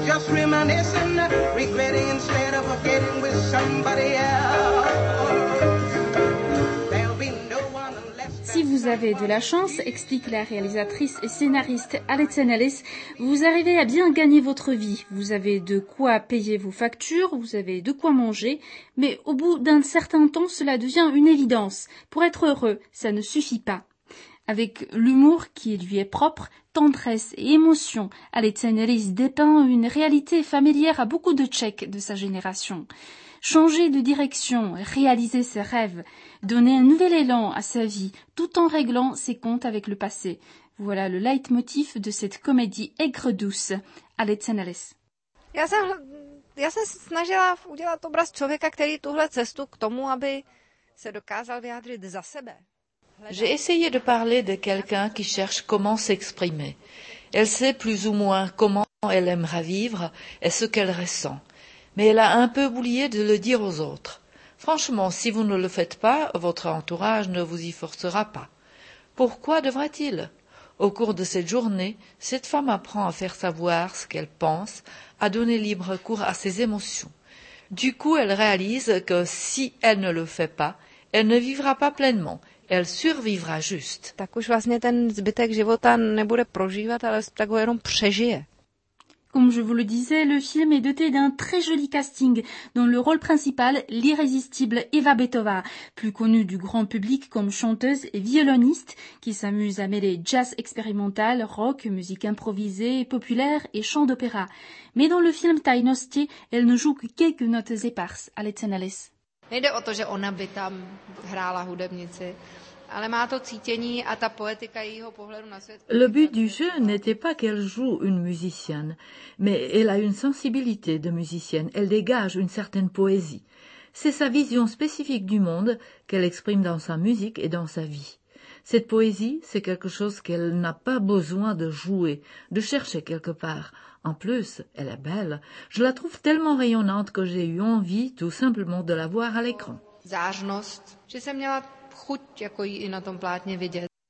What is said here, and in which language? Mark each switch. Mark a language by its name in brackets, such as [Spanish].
[English] Reminiscing, regretting instead of forgetting with somebody else. [French] Si vous avez de la chance, explique la réalisatrice et scénariste Alison Ellis, vous arrivez à bien gagner votre vie. Vous avez de quoi payer vos factures, vous avez de quoi manger, mais au bout d'un certain temps, cela devient une évidence. Pour être heureux, ça ne suffit pas. Avec l'humour qui lui est propre, tendresse et émotion, Alison Ellis dépeint une réalité familière à beaucoup de Tchèques de sa génération. Changer de direction, réaliser ses rêves, donner un nouvel élan à sa vie tout en réglant ses comptes avec le passé. Voilà le leitmotiv de cette comédie aigre-douce. Alison Ellis. [Czech] Já jsem se snažila udělat obraz člověka, který tuhle cestu k tomu, aby se dokázal vyjádřit za sebe. [French] J'ai essayé de parler de quelqu'un qui cherche comment s'exprimer. Elle sait plus ou moins comment elle aimera vivre et ce qu'elle ressent. Mais elle a un peu oublié de le dire aux autres. Franchement, si vous ne le faites pas, votre entourage ne vous y forcera pas. Pourquoi devrait-il? Au cours de cette journée, cette femme apprend à faire savoir ce qu'elle pense, à donner libre cours à ses émotions. Du coup, elle réalise que si elle ne le fait pas, elle ne vivra pas pleinement. Elle survivra juste. [Czech] Tak už vlastně ten zbytek života nebude prožívat, ale tak ho jenom přežije. [French] Comme je vous le disais, le film est doté d'un très joli casting, dont le rôle principal, l'irrésistible Eva Betova, plus connue du grand public comme chanteuse et violoniste, qui s'amuse à mêler jazz expérimental, rock, musique improvisée, populaire et chant d'opéra. Mais dans le film Taï Nostier, elle ne joue que quelques notes éparses. Alison Ellis. [Czech] Nejde o to, že ona by tam hrála hudebnici. Ale má to cítění a ta poetika jejího pohledu na svět. [French] Le but du jeu n'était pas qu'elle joue une musicienne, mais elle a une sensibilité de musicienne, elle dégage une certaine poésie. C'est sa vision spécifique du monde qu'elle exprime dans sa musique et dans sa vie. Cette poésie, c'est quelque chose qu'elle n'a pas besoin de jouer, de chercher quelque part. En plus, elle est belle. Je la trouve tellement rayonnante que j'ai eu envie tout simplement de la voir à l'écran. [Czech] Zářnost, že jsem měla chuť jako jí i na tom plátně vidět.